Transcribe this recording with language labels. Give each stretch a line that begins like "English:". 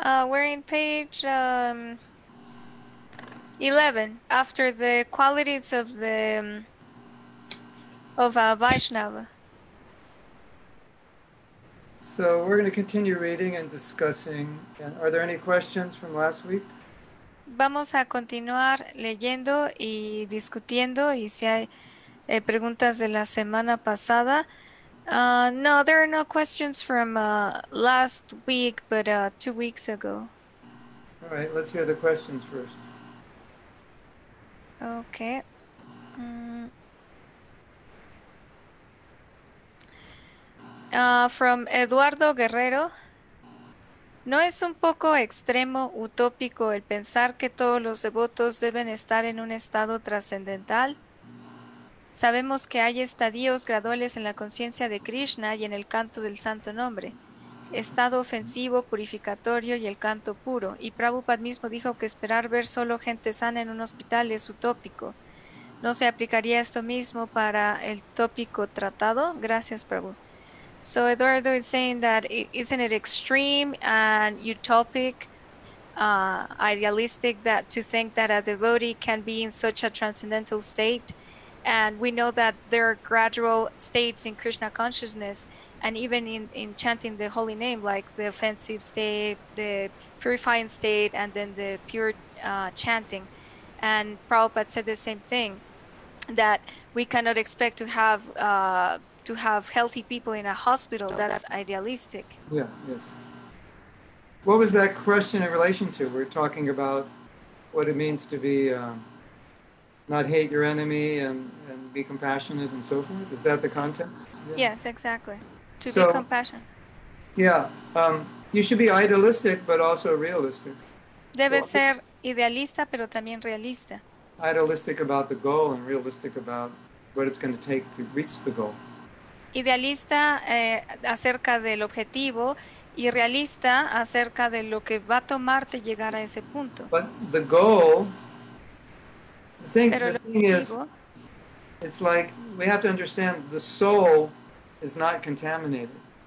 English: We're in page 11, after the qualities of the of Vaishnava. So we're going to continue reading and discussing. And are there any questions from last week?
Spanish: Vamos a continuar leyendo y discutiendo. Y si hay preguntas de la semana pasada.
English: No, there are no questions from last week, but 2 weeks ago. All right, let's hear the questions first. Okay. From Eduardo Guerrero.
Spanish: ¿No es un poco extremo, utópico, el pensar que todos los devotos deben estar en un estado trascendental? Sabemos que hay estadios graduales en la conciencia de Krishna y en el canto del santo nombre. Estado ofensivo, purificatorio y el canto puro. Y Prabhupada mismo dijo que esperar ver solo gente sana en un hospital es utópico. ¿No se aplicaría esto mismo para el tópico tratado? Gracias, Prabhupada.
English: So Eduardo is saying that isn't it extreme and utopic, idealistic, that to think that a devotee can be in such a transcendental state? And we know that there are gradual states in Krishna consciousness, and even in chanting the holy name, like the offensive state, the purifying state, and then the pure chanting. And Prabhupada said the same thing, that we cannot expect to have healthy people in a hospital. That's idealistic. Yeah, yes. What was that question in relation to? We're talking about what it means to be not hate your enemy and be compassionate and so forth. Is that the context? Yeah. Yes, exactly. To be compassionate. Yeah. You should be idealistic, but also realistic.
Spanish: Debe ser idealista, pero también realista.
English: Idealistic about the goal and realistic about what it's going to take to reach the goal.
Spanish: Idealista acerca del objetivo y realista acerca de lo que va a tomarte llegar a ese punto.
English: But the goal, the thing is, it's like we have to understand the soul is not contaminated.